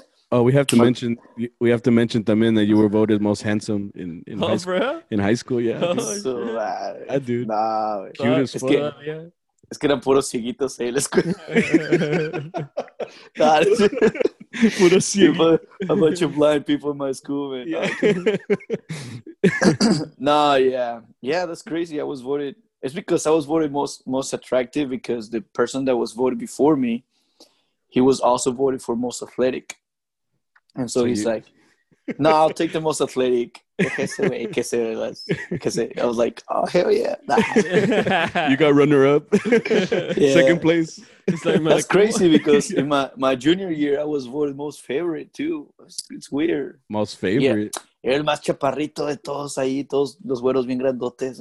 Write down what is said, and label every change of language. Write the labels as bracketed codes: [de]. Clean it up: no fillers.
[en] Oh, we have to mention también that you were voted most handsome in high school. In high school, yeah. So, I do. Nah, cute as fuck. [es] Es que eran puros cieguitos ahí en la escuela. Puro ciego. [en] A bunch of blind people in my school, man. Yeah. No, yeah. Yeah, that's crazy. I was voted. It's because I was voted most attractive because the person that was voted before me, he was also voted for most athletic. And so he's like, no, I'll take the most athletic. I was like, oh, hell yeah. Nah. You got runner up. Yeah. Second place. It's like, that's like, crazy because in my junior year, I was voted most favorite too. It's weird. Most favorite. Yeah. [es] El más chaparrito de todos ahí, todos los güeros bien grandotes.